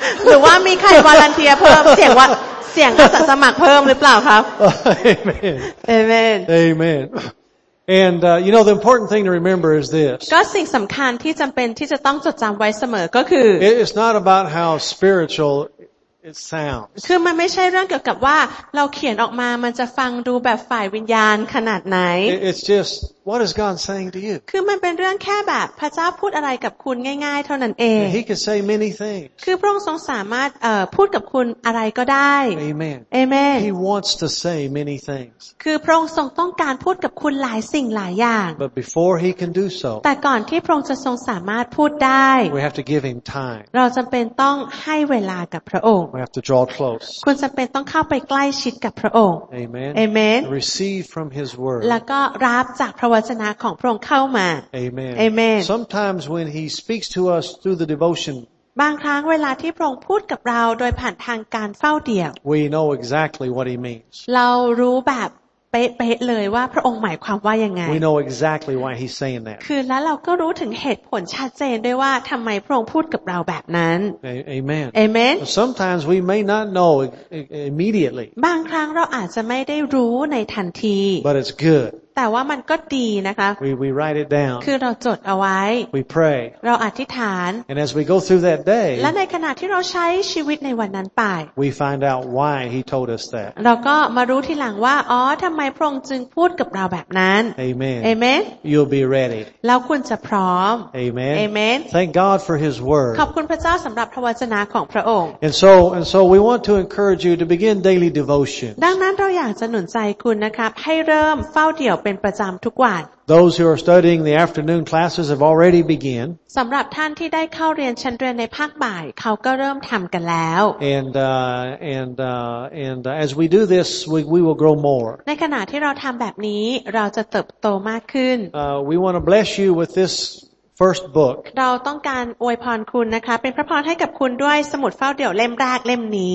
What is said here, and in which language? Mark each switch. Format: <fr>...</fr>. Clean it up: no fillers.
<th>หรือว่ามีใครวอลันเทียร์เพิ่มเสียงว่าเสียงอาสาสมัครเพิ่มหรือเปล่าครับ</th> <en>Amen. Amen. Amen. And you know, the important thing to remember is this.</en> <th>ก็สิ่งสำคัญที่จำเป็นที่จะต้องจดจำไว้เสมอก็คือ</th> <en>It's not about how spiritual. It sounds.</en> <th>คือมันไม่ใช่เรื่องเกี่ยวกับว่าเราเขียนออกมามันจะฟังดูแบบฝ่ายวิญญาณขนาดไหน</th> <en>It's just what is God saying to you.</en> <th>คือมันเป็นเรื่องแค่แบบพระเจ้าพูดอะไรกับคุณง่ายๆเท่านั้นเอง</th> <en>He could say many things.</en> <th>คือพระองค์ทรงสามารถพูดกับคุณอะไรก็ได้</th> <en>Amen. Amen. He wants to say many things.</en> <th>คือพระองค์ทรงต้องการพูดกับคุณหลายสิ่งหลายอย่าง</th> <en>But before he can do so.</en> <th>แต่ก่อนที่พระองค์จะทรงสามารถพูดได้</th> <en>We have to give him time.</en> <th>เราจำเป็นต้องให้เวลากับพระองค์</th> <en>We have to draw close.</en> <th>คุณจำเป็นต้องเข้าไปใกล้ชิดกับพระองค์</th> <en>Amen. Amen. Receive from His word.</en> <th>แล้วก็รับจากพระวจนะของพระองค์เข้ามา</th> <en>Amen. Amen. Sometimes when He speaks to us through the devotion.</en> <th>บางครั้งเวลาที่พระองค์พูดกับเราโดยผ่านทางการเฝ้าเดี่ยว</th> <en>We know exactly what He means.</en> <th>เรารู้แบบเป๊ะๆเลยว่าพระองค์หมายความว่ายังไง</th> <en>We know exactly why He's saying that.</en> <th>คือแล้วเราก็รู้ถึงเหตุผลชัดเจนด้วยว่าทำไมพระองค์พูดกับเราแบบนั้น</th> <en>Amen. Amen. Sometimes we may not know immediately.</en> <th>บางครั้งเราอาจจะไม่ได้รู้ในทันที</th> <en>But it's good.</en> <th>แต่ว่ามันก็ดีนะคะ</th> <en>we write it down.</en> <th>คือเราจดเอาไว้</th> <en>we pray.</en> <th>เราอธิษฐาน</th> <en>And as we go through that day,</en> <th>และในขณะที่เราใช้ชีวิตในวันนั้นไป</th> <en>we find out why he told us that.</en> <th>เราก็มารู้ทีหลังว่าอ๋อทำไมพระองค์จึงพูดกับเราแบบนั้น</th> <en>Amen. Amen. You'll be ready.</en> <th>เราควรจะพร้อม</th> <en>Amen. Amen. Thank God for His word.</en> <th>ขอบคุณพระเจ้าสำหรับพระวจนะของพระองค์</th> <en>And so we want to encourage you to begin daily devotion.</en> <th>ดังนั้นเราอยากจะหนุนใจคุณนะครับให้เริ่มเฝ้าเดี่ยวเป็นประจำทุกวัน</th> <en>Those who are studying the afternoon classes have already begun.</en> <th>สำหรับท่านที่ได้เข้าเรียนชั้นเรียนในภาคบ่ายเขาก็เริ่มทำกันแล้ว</th> <en>And as we do this we will grow more.</en> <th>ในขณะที่เราทำแบบนี้เราจะเติบโตมากขึ้น</th> <en>We want to bless you with this first book.</en> <th>เราต้องการอวยพรคุณนะคะเป็นพระพรให้กับคุณด้วยสมุดเฝ้าเดี่ยวเล่มแรกเล่มนี</th>